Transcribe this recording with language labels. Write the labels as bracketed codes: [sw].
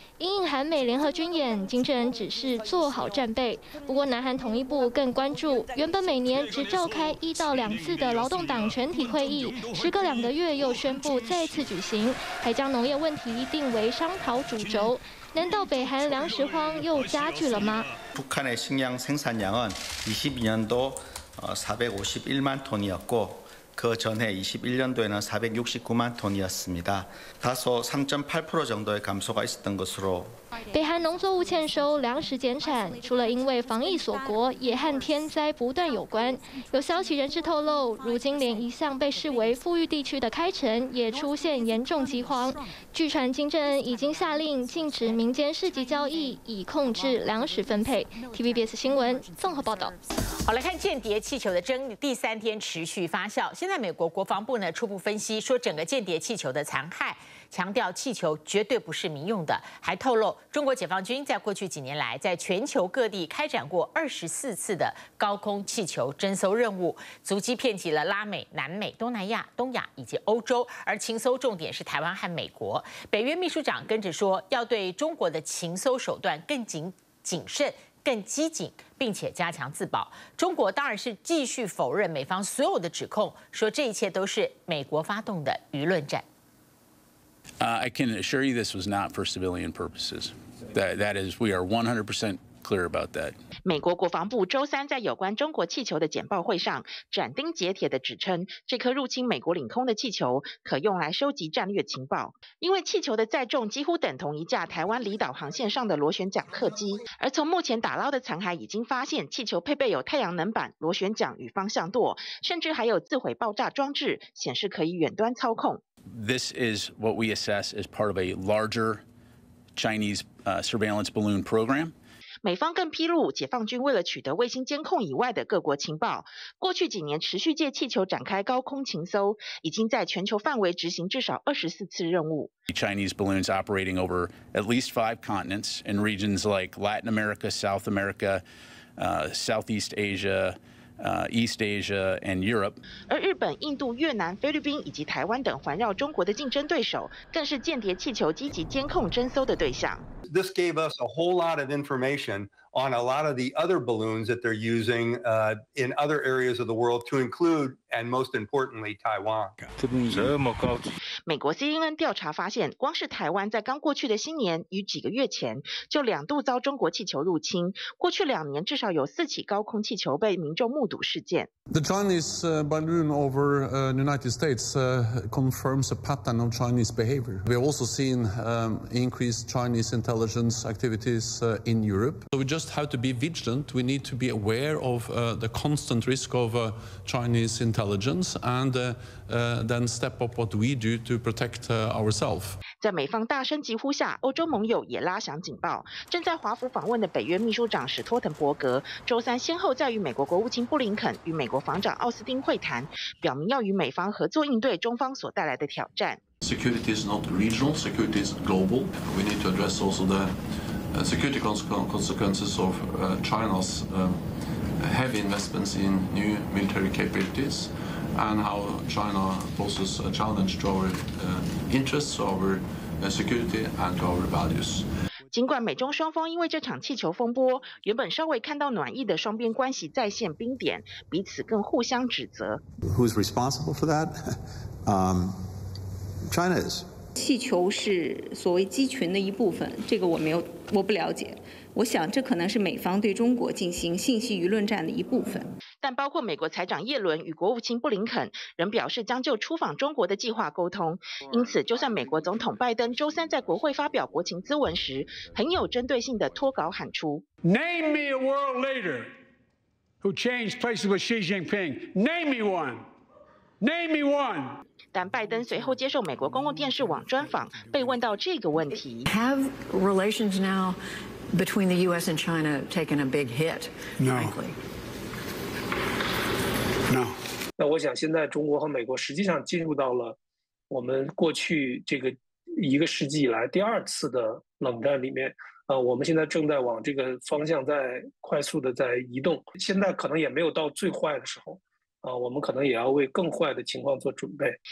[zh] 因应韩美联合军演，金正恩只是做好战备。不过南韩统一部更关注，原本每年只召开1到2次的劳动党全体会议，时隔2个月又宣布再次举行，还将农业问题定为商讨主轴。难道北韩粮食荒又加剧了吗？ [ko] 북한의식량생산량은22년도451만톤이었고그전해21년도에는469만톤이었습니다다소 3.8% 정도의감소가있었던것으로 [zh] 北韩农作物欠收，粮食减产，除了因为防疫锁国，也和天灾不断有关。有消息人士透露，如今连一向被视为富裕地区的开城也出现严重饥荒。据传金正恩已经下令禁止民间市集交易，以控制粮食分配。 TVBS 新闻综合报道。好，来看间谍气球的争议第三天持续发酵。现在美国国防部呢初步分析说，整个间谍气球的残骸，强调气球绝对不是民用的，还透露中国解放军在过去几年来在全球各地开展过24次的高空气球侦搜任务，足迹遍及了拉美、南美、东南亚、东亚以及欧洲，而情搜重点是台湾和美国。北约秘书长跟着说，要对中国的情搜手段更谨慎、更机警，并且加强自保。中国当然是继续否认美方所有的指控，说这一切都是美国发动的舆论战。 [en] I can assure you this was not for civilian purposes. That is, we are 100% clear about that. [zh] 美国国防部周三在有关中国气球的简报会上斩钉截铁地指称，这颗入侵美国领空的气球可用来收集战略情报，因为气球的载重几乎等同一架台湾离岛航线上的螺旋桨客机。而从目前打捞的残骸已经发现，气球配备有太阳能板、螺旋桨与方向舵，甚至还有自毁爆炸装置，显示可以远端操控。 [en] This is what we assess as part of a larger Chinese surveillance balloon program. [zh] 美方更披露，解放军为了取得卫星监控以外的各国情报，过去几年持续借气球展开高空情搜，已经在全球范围执行至少24次任务。 [en] Chinese balloons operating over at least 5 continents in regions like Latin America, South America, Southeast Asia, East Asia, and Europe. [zh] 而日本、印度、越南、菲律宾以及台湾等环绕中国的竞争对手，更是间谍气球积极监控侦搜的对象。 [en] This gave us a whole lot of information on a lot of the other balloons that they're using in other areas of the world, to include, and most importantly, Taiwan. [zh] 美国 CNN 调查发现，光是台湾在刚过去的新年与几个月前，就两度遭中国气球入侵。过去两年，至少有四起高空气球被民众目睹事件。 [en] The Chinese balloon over the United States confirms a pattern of Chinese behavior. We've also seen increased Chinese intelligence activities in Europe. So we just have to be vigilant. We need to be aware of the constant risk of Chinese intelligence and then step up what we do to protect ourselves. [zh] 在美方大声疾呼下，欧洲盟友也拉响警报。正在华府访问的北约秘书长史托滕伯格，周三先后在与美国国务卿布林肯与美国防长奥斯汀会谈，表明要与美方合作应对中方所带来的挑战。 [en] Security is not regional, security is global. We need to address also the security consequences of China's heavy investments in new military capabilities and how China poses a challenge to our interests, our security and to our values. [zh] 尽管美中双方因为这场气球风波，原本稍微看到暖意的双边关系再现冰点，彼此更互相指责。 [en] Who's responsible for that? China is. [zh] 气球是所谓机群的一部分，这个我不了解。我想这可能是美方对中国进行信息舆论战的一部分。但包括美国财长耶伦与国务卿布林肯仍表示将就出访中国的计划沟通，因此就算美国总统拜登周三在国会发表国情咨文时，很有针对性的脱稿喊出 [en] Name me a world leader who changed places with Xi Jinping. Name me one. Name me one. [zh] 但拜登随后接受美国公共电视网专访，被问到这个问题 [en] Have relations now between the U.S. and China taken a big hit? No. [zh] 那我想现在中国和美国实际上进入到了我们过去这个一个世纪以来第二次的冷战里面，我们现在正在往这个方向在快速的在移动，现在可能也没有到最坏的时候，我们可能也要为更坏的情况做准备。